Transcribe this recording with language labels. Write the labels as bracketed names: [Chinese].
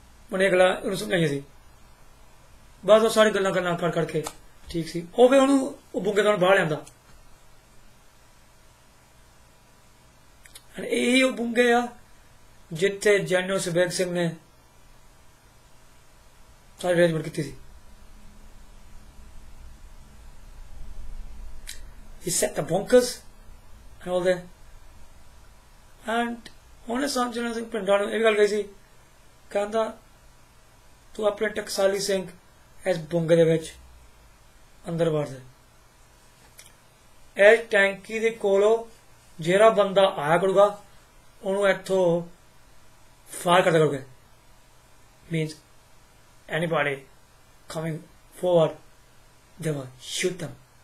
[Punjabi] ਉਹਨੇ ਗੱਲਾਂ ਉਹਨੂੰ ਸਮਝਾਈਆਂ ਸੀ, ਬਸ ਉਹ ਸਾਰੀ ਗੱਲਾਂ ਗੱਲਾਂ ਕਰ ਕਰਕੇ ਠੀਕ ਸੀ। ਉਹ ਫਿਰ ਉਹਨੂੰ ਉਹ ਬੁੰਗੇ ਤੋਂ ਬਾਹਰ ਲਿਆਂਦਾ, ਇਹੀ ਉਹ ਬੁੰਗੇ ਆ ਜਿੱਥੇ ਜਨਰਲ ਸੁਬੇਗ ਸਿੰਘ ਨੇ ਸਾਰੀ ਅਰੇਂਜਮੈਂਟ ਕੀਤੀ ਸੀ। [English] He set the bunkers and all that. [Punjabi] And on a Sant Jarnail Singh Bhindranwale, ਇਹ ਗੱਲ ਕਹੀ ਸੀ, ਕਹਿੰਦਾ ਤੂੰ ਆਪਣੇ ਟਕਸਾਲੀ ਸਿੰਘ ਇਸ ਬੁੰਗੇ ਦੇ ਵਿੱਚ ਅੰਦਰ ਵੜ ਦੇ, ਇਸ ਟੈਂਕੀ ਦੇ ਕੋਲੋਂ ਜਿਹੜਾ ਬੰਦਾ ਆਇਆ ਕਰੂਗਾ ਉਹਨੂੰ ਇੱਥੋਂ ਫਾਇਰ ਕਰਦਾ ਕਰੋਗੇ, means anybody coming forward they will shoot ਦਮ।